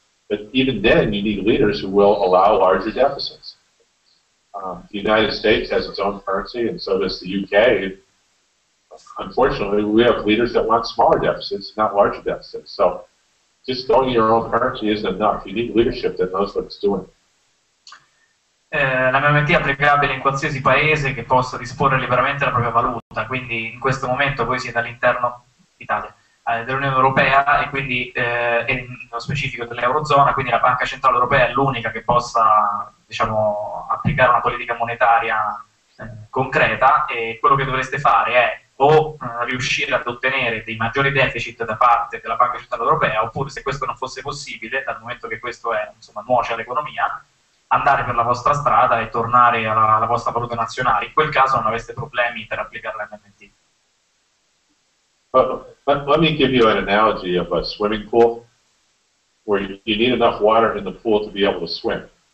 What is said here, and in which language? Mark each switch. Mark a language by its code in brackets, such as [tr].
[en] But even then, you need leaders who will allow larger deficits. The United States has its own currency, and so does the UK. Unfortunately, we have leaders that want smaller deficits, not larger deficits. So just going your own currency isn't enough. You need leadership that knows what it's doing. [it] La MMT è applicabile in qualsiasi paese che possa disporre liberamente la propria valuta, quindi in questo momento voi siete all'interno d'Italia, dell'Unione Europea e quindi nello specifico dell'Eurozona, quindi la Banca Centrale Europea è l'unica che possa, diciamo, applicare una politica monetaria concreta, e quello che dovreste fare è o riuscire ad ottenere dei maggiori deficit da parte della Banca Centrale Europea, oppure, se questo non fosse possibile, dal momento che questo è, insomma, nuoce all'economia, andare per la vostra strada e tornare alla vostra valuta nazionale. In quel caso non aveste problemi per applicare la MMT. [en] But let me give you an analogy of a swimming pool where you need enough water in the pool to be able to swim.